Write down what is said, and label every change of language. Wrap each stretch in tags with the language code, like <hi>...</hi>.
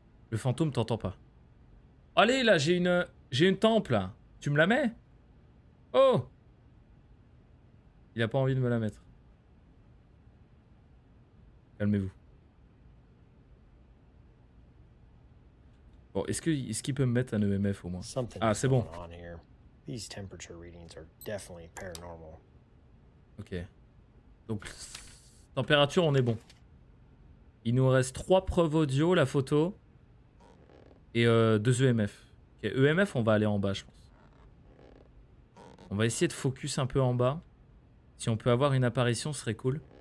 <fr>Le fantôme t'entend pas. Allez, là, j'ai une temple. Tu me la mets? Oh! Il a pas envie de me la mettre. Calmez-vous. Bon, est-ce qu'il peut me mettre un EMF au moins? Ah, c'est bon.</fr> <en>These temperature readings are definitely paranormal.</en> <fr>Ok. Donc, température, on est bon. Il nous reste 3 preuves audio, la photo. Et 2 EMF. Ok, EMF, on va aller en bas, je pense. On va essayer de focus un peu en bas. Si on peut avoir une apparition, ce serait cool.</fr>